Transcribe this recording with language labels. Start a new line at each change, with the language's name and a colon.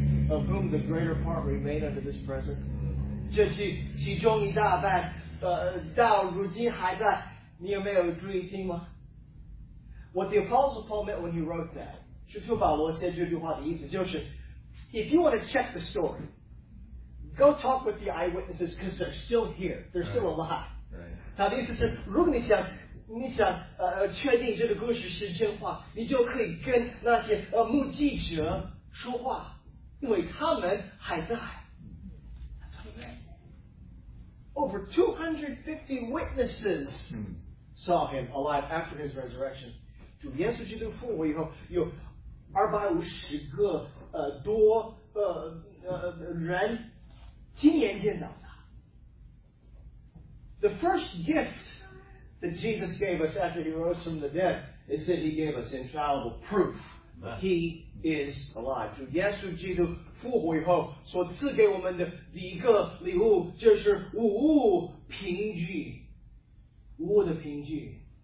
English: Of whom the greater part remain under this present?
Chinese: 这句其中一大半到如今还在，你有没有注意听吗？
English: What the Apostle Paul meant when he wrote that,
Chinese: 使徒保罗写这句话的意思就是,
English: if you want to check the story, go talk with the eyewitnesses because they're still here. They're still alive. Right.
Chinese: 他的意思是,如果你想确定这个故事是真话,你就可以跟那些目击者说话,因为他们还在。
English: That's what he meant. Over 250 witnesses saw him alive after his resurrection.
Chinese: 主耶稣基督复活以后，有250个多人亲眼见到他。
English: The first gift that Jesus gave us after he rose from the dead is that he gave us infallible proof that he is alive.
Chinese: 主耶稣基督复活以后所赐给我们的第一个礼物就是无物凭据，无物的凭据。